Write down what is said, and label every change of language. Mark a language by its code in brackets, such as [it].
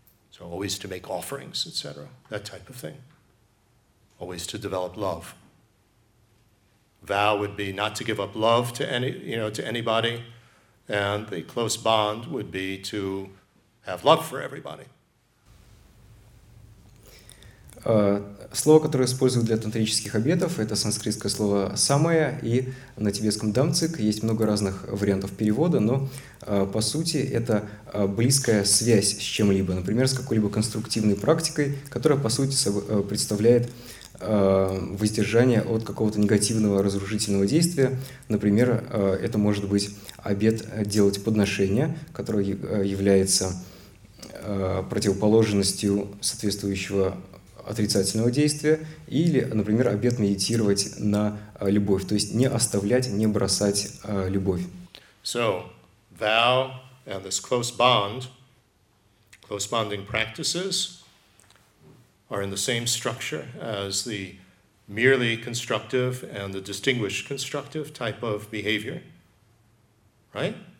[en] So always to make offerings, etc., that type of thing. Always to develop love. Vow would be not to give up love to any, you know, to anybody, and the close bond would be to have love for everybody. [ru] Слово, которое используют для тантрических обетов, это санскритское слово «самая», и на тибетском «дамцик» есть много разных вариантов перевода, но, по сути, это близкая связь с чем-либо, например, с какой-либо конструктивной практикой, которая, по сути, представляет воздержание от какого-то негативного разрушительного действия. Например, это может быть обет делать подношение, которое является противоположностью соответствующего отрицательного действия, или, например, обет медитировать на любовь, то есть не оставлять, не бросать любовь. [en] So, vow and this close bond, close bonding practices are in the same structure as the merely constructive and the distinguished constructive type of behavior, right?